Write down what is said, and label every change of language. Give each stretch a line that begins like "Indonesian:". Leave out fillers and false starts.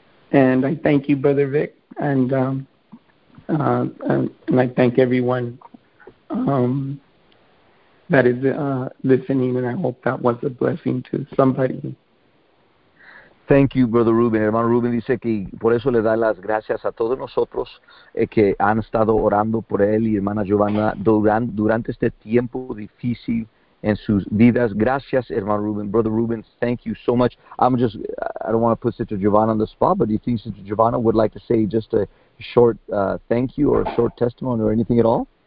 English: And I thank you, Brother Vic, and I thank everyone that is listening, and I hope that was a blessing to somebody. Thank you, Brother Ruben.
Spanish: Hermano Ruben dice que por eso le da las gracias a todos nosotros que han estado orando por él y hermana Giovanna durante este tiempo difícil en sus vidas. Gracias, hermano Ruben.
English: Brother Ruben, thank you so much. I don't want to put Sister Giovanna on the spot, but do you think Sister Giovanna would like to say just a short thank you or a short testimony or anything at all?